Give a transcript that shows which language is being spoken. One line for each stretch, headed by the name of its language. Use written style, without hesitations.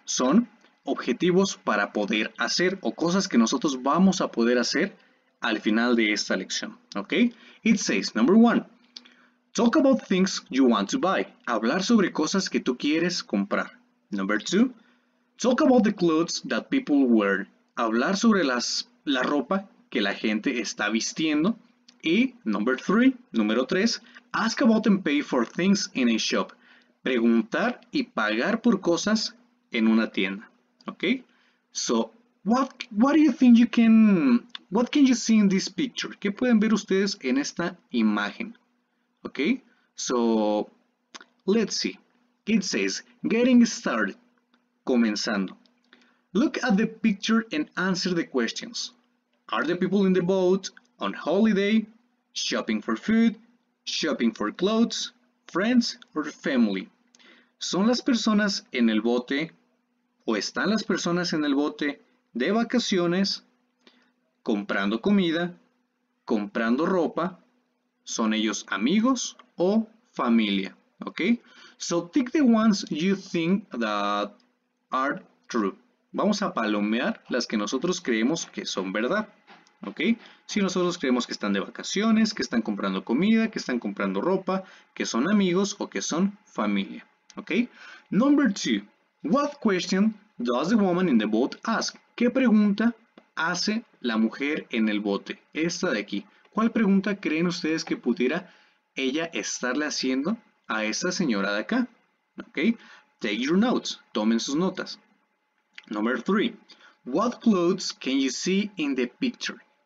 Spanish: Son objetivos para poder hacer o cosas que nosotros vamos a poder hacer al final de esta lección.
English: Okay? It says, number one, talk about things you want to buy.
Spanish: Hablar sobre cosas que tú quieres comprar.
English: Number two, talk about the clothes that people wear.
Spanish: Hablar sobre la ropa que la gente está vistiendo.
English: Y number three,
Spanish: número tres,
English: ask about and pay for things in a shop.
Spanish: Preguntar y pagar por cosas en una tienda.
English: Okay, so what do you think you can, what can you see in this picture?
Spanish: ¿Qué pueden ver ustedes en esta imagen?
English: Okay, so let's see. It says, getting started, comenzando. Look at the picture and answer the questions. Are the people in the boat, on holiday, shopping for food, shopping for clothes, friends or family?
Spanish: ¿Son las personas en el bote o están las personas en el bote de vacaciones, comprando comida, comprando ropa? ¿Son ellos amigos o familia? Okay?
English: So tick the ones you think that are true.
Spanish: Vamos a palomear las que nosotros creemos que son verdad. Okay? Si nosotros creemos que están de vacaciones, que están comprando comida, que están comprando ropa, que son amigos o que son familia.
English: Okay? Number two. What question does the woman in the boat ask?
Spanish: ¿Qué pregunta hace la mujer en el bote? Esta de aquí. ¿Cuál pregunta creen ustedes que pudiera ella estarle haciendo a esta señora de acá?
English: Okay. Take your notes.
Spanish: Tomen sus notas.
English: Number three. What clothes can you see in the picture?